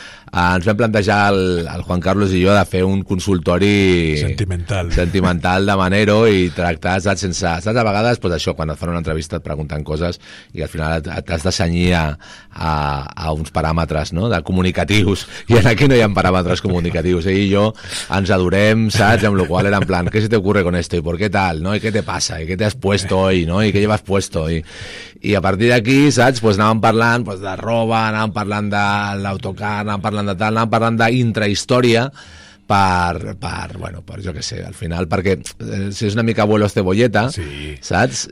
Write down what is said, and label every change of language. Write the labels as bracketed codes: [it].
[ca] Ens vam plantejar el Juan Carlos i jo de fer un consultori sentimental de Manero i tractar, saps, sense... Saps, a vegades, pues això, quan et fan una entrevista et pregunten coses i al final t'has de cenyir a uns paràmetres, no?, de comunicatius, i aquí no hi ha paràmetres comunicatius. Ell i jo ens adorem, saps, amb lo qual era en plan, [es] ¿qué se te ocurre con esto? ¿Y por qué tal? ¿No? ¿Y qué te pasa? ¿Y qué te has puesto hoy? ¿No? ¿Y qué llevas puesto? [ca] I a partir d'aquí, saps, pues anàvem parlant pues, de roba, anàvem parlant de l'autocar, anàvem parlant de tal, anàvem parlant d'intrahistòria per jo què sé, al final, perquè si és una mica abuelo cebolleta, sí. Saps?